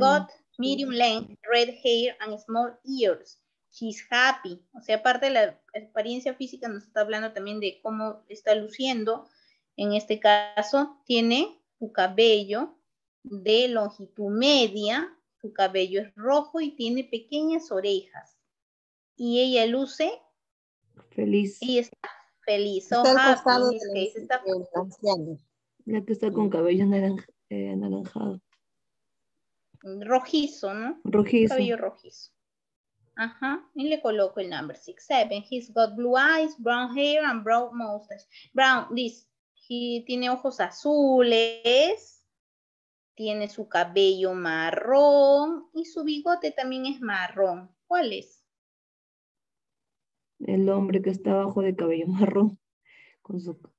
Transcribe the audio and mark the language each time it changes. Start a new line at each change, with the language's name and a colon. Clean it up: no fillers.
English: Got medium length, red hair and small ears. She's happy.
Spanish: O sea, aparte de la apariencia física, nos está hablando también de cómo está luciendo. En este caso, tiene. Su cabello de longitud media, su cabello es rojo y tiene pequeñas orejas. Y ella luce feliz. Y está feliz. La que está con cabello anaranjado. Rojizo, ¿no? Rojizo. Cabello rojizo. Ajá. Y le coloco el number 6-7.
English: He's got blue eyes, brown hair, and brown mustache. Brown, this.
Spanish: Y tiene ojos azules, tiene su cabello marrón y su bigote también es marrón. ¿Cuál es? El hombre que está abajo de cabello marrón. Con su